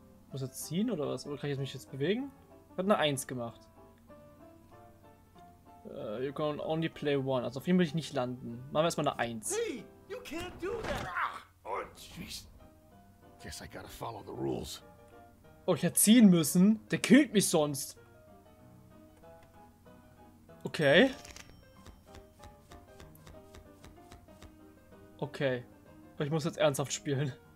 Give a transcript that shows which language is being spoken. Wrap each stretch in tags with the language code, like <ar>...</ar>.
<de>Muss ich jetzt ziehen oder was? Oder kann ich mich jetzt bewegen? Ich hab eine 1 gemacht.</de> <en>You can only play one.</en> <de>Also auf jeden Fall will ich nicht landen. Machen wir erstmal eine 1.</de> <en>Hey, you can't do that. Ah, oh, jeez. Guess I gotta follow the rules.</en> <de>Oh, ich hätte ziehen müssen. Der killt mich sonst. Okay. Okay. Ich muss jetzt ernsthaft spielen.</de>